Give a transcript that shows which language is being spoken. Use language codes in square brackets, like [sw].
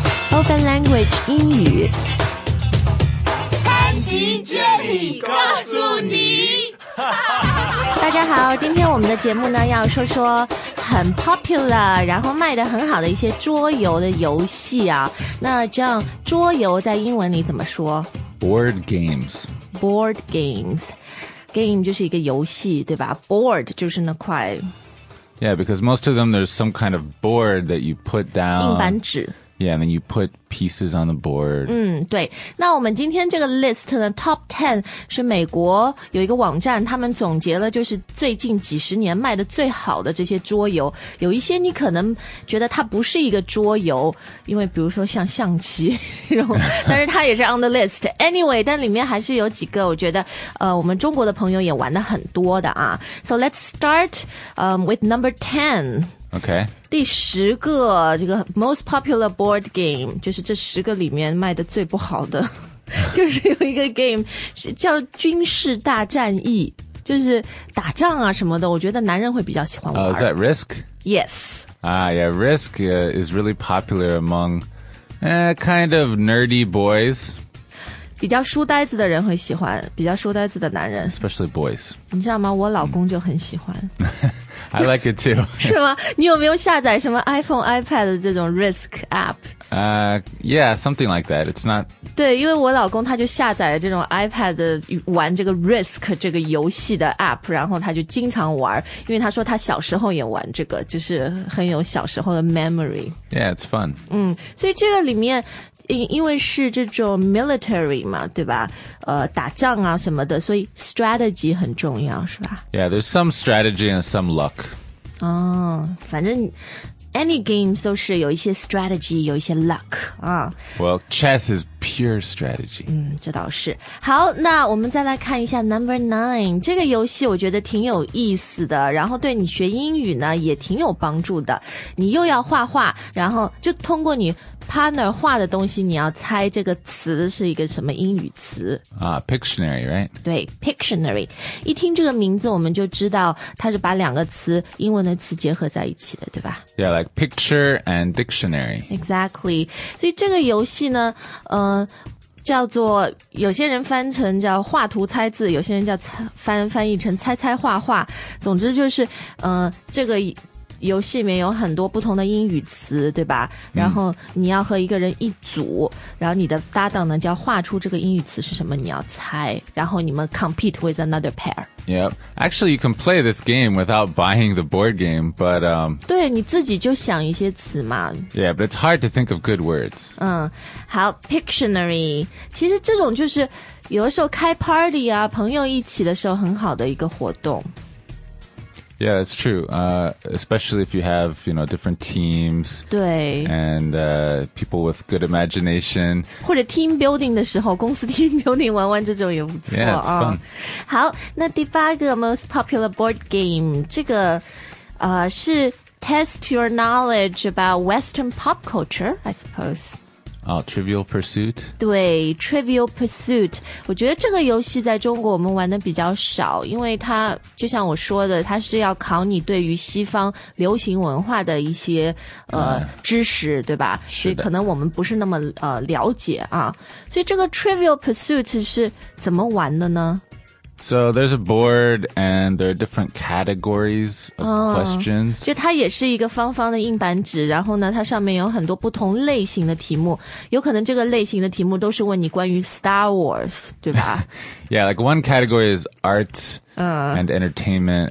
[en] Spoken Language 英语。 [zh] 潘吉接力告诉你。大家好，今天我们的节目呢，要说说很 popular， 然后卖得很好的一些桌游的游戏啊。那这样，桌游在英文里怎么说 [en] ？Board games。 Board games。 [zh] Game 就是一个游戏，对吧 ？Board 就是那块。 [en] Yeah, because most of them, there's some kind of board that you put down. [zh] 硬板纸。 [en] Yeah, and then you put pieces on the board. [zh] 嗯，对。那我们今天这个 list 呢 ，top ten 是美国有一个网站，他们总结了就是最近几十年卖的最好的这些桌游。有一些你可能觉得它不是一个桌游，因为比如说像象棋这种，但是它也是 [en] on the list. [zh] Anyway, 但里面还是有几个我觉得，我们中国的朋友也玩的很多的啊。 [en] So let's start, with number ten. Okay. [zh] 第十个这个 [en] most popular board game [zh] 就是这十个里面卖的最不好的就是有一个 game 是叫军事大战役就是打仗啊什么的我觉得男人会比较喜欢玩、 [en] Is that Risk? Yes yeah, Risk is really popular among kind of nerdy boys [zh] 比较书呆子的人会喜欢比较书呆子的男人 [en] Especially boys [zh] 你知道吗我老公就很喜欢 [en] I like it too. [zh] 是吗？你有没有下载什么 iPhone、iPad 的这种 Risk app? [en] Yeah, something like that. It's not. [zh] 对，因为我老公他就下载了这种 iPad 的玩这个 Risk 这个游戏的 app， 然后他就经常玩，因为他说他小时候也玩这个，就是很有小时候的 memory. [en] Yeah, it's fun. [zh] 嗯，所以这个里面。因为是这种 military 嘛对吧打仗啊什么的所以 strategy 很重要是吧 [en] Yeah, there's some strategy and some luck. [zh] 哦反正 any game 都是有一些 strategy, 有一些 luck. 啊 [en] Well, chess is pure strategy. [zh] 嗯这倒是。好那我们再来看一下 [en] number nine, [zh] 这个游戏我觉得挺有意思的然后对你学英语呢也挺有帮助的。你又要画画然后就通过你Partner 画的东西你要猜这个词是一个什么英语词、 [en] Pictionary, right? [zh] 对 Pictionary 一听这个名字我们就知道它是把两个词英文的词结合在一起的对吧 [en] Yeah, like picture and dictionary [zh] Exactly 所以这个游戏呢叫做有些人翻成叫画图猜字有些人叫翻译成猜猜画画总之就是这个游戏里面有很多不同的英语词对吧然后你要和一个人一组然后你的搭档呢就要画出这个英语词是什么你要猜然后你们 [en] compete with another pair Yep, actually you can play this game without buying the board game but [zh] 对你自己就想一些词嘛 [en] Yeah, but it's hard to think of good words [zh] 嗯好 Pictionary 其实这种就是有的时候开 party 啊朋友一起的时候很好的一个活动 [en] Yeah, that's true. Especially if you have, you know, different teams. [zh] 对 [en] And people with good imagination. [zh] 或者 team building 的时候，公司 team building 玩玩这种也不错。 [en] Yeah, it's fun. [zh] 好，那第八个 [en] most popular board game， [zh] 这个是 [en] test your knowledge about Western pop culture, I suppose. Oh, Trivial Pursuit. [zh] 对 ，Trivial Pursuit， 我觉得这个游戏在中国我们玩的比较少，因为它就像我说的，它是要考你对于西方流行文化的一些知识，对吧？是的。所以可能我们不是那么了解啊。所以这个 Trivial Pursuit 是怎么玩的呢 [en] ？So there's a board and there are different categories of questions. [zh] 就它也是一个方方的硬板纸，然后呢，它上面有很多不同类型的题目。有可能这个类型的题目都是问你关于 Star Wars， 对吧 [en] ？Yeah, like one category is art and entertainment.